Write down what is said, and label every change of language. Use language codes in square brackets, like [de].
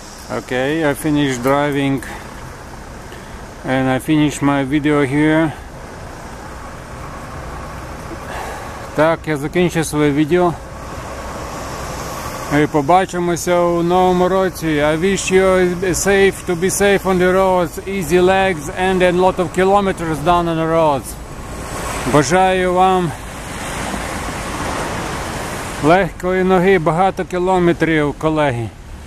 [en] Okay, I finished driving and I finished my video here. [uk] Так, я закінчу своє відео. І побачимося у новому році. [en] I wish you safe, to be safe on the roads, easy legs and a lot of kilometers down on the roads. [uk] Бажаю вам легкої ноги, багато кілометрів, колеги.